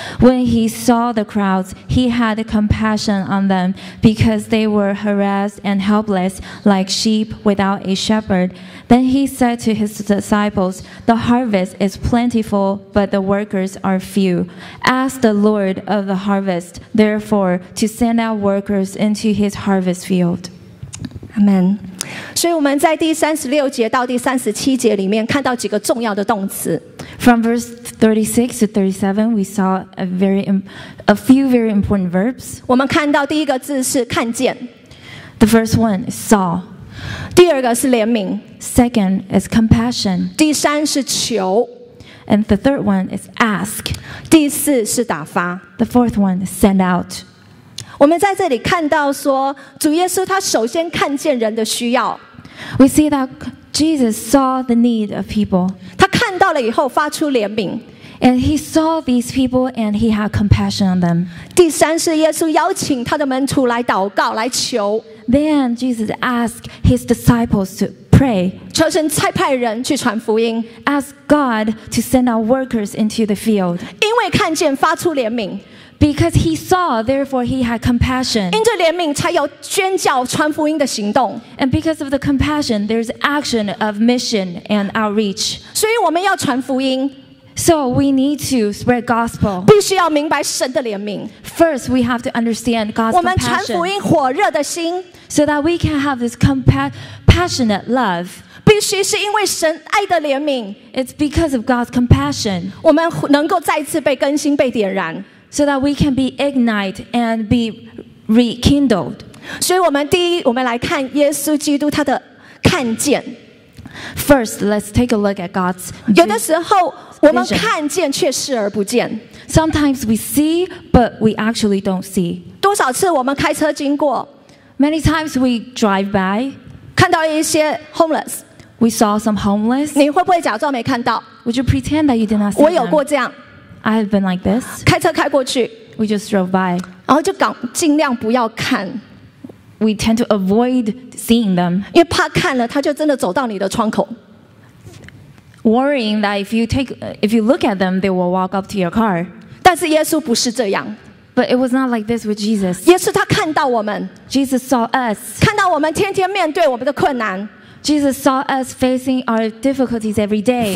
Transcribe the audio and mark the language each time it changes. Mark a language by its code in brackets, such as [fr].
[en] When he saw the crowds, he had compassion on them because they were harassed and helpless like sheep without a shepherd. Then he said to his disciples, "The harvest is plentiful, but the workers are few. Ask the Lord of the harvest, therefore, to send out workers into his harvest field." Amen. [zh] 所以我们在第三十六节到第三十七节里面看到几个重要的动词。 [en] From verse 36 to 37, we saw a few very important verbs. [zh] 我们看到第一个字是看见。 [en] The first one is saw. [zh] 第二个是怜悯。 [en] Second is compassion. [zh] 第三是求。 [en] And the third one is ask. [zh] 第四是打发。 [en] The fourth one is send out. [zh] 我们在这里看到说，主耶稣他首先看见人的需要。 [en] We see that Jesus saw the need of people. [zh] 他看到了以后发出怜悯。 [en] And he saw these people and he had compassion on them. [zh] 第三是耶稣邀请他的门徒来祷告，来求。 [en] Then Jesus asked his disciples to pray. [zh] 求神差派人去传福音。 [en] Ask God to send out workers into the field. [zh] 因为看见发出怜悯。 [en] Because he saw, therefore he had compassion. [zh] 因着怜悯才有宣教传福音的行动。 [en] And because of the compassion, there's action of mission and outreach. [zh] 所以我们要传福音。 [en] So we need to spread gospel. [zh] 必须要明白神的怜悯。 [en] First, we have to understand God's compassion. [zh] 我们传福音火热的心。 [en] So that we can have this passionate love. [zh] 必须是因为神爱的怜悯。 [en] It's because of God's compassion. [zh] 我们能够再次被更新，被点燃。 [en] So that we can be ignited and be rekindled. [zh] 所以我们第一，我们来看耶稣基督他的看见。 [en] First, let's take a look at God's vision. [zh] 有的时候我们看见却视而不见。 [en] Sometimes we see, but we actually don't see. [zh] 多少次我们开车经过。 [en] Many times we drive by. [zh] 看到一些 homeless. [en] We saw some homeless. [zh] 你会不会假装没看到？ [en] Would you pretend that you did not see them? [zh] 我有过这样。 [en] I have been like this. [zh] 开车开过去。 [en] We just drove by. [zh] 然后就尽量不要看。 [en] We tend to avoid seeing them. [zh] 因为怕看了，他就真的走到你的窗口。 [en] Worrying that if you look at them, they will walk up to your car. [zh] 但是耶稣不是这样。 [en] But it was not like this with Jesus. [zh] 耶稣他看到我们。 [en] Jesus saw us. [zh] 看到我们天天面对我们的困难。 [en] Jesus saw us facing our difficulties every day.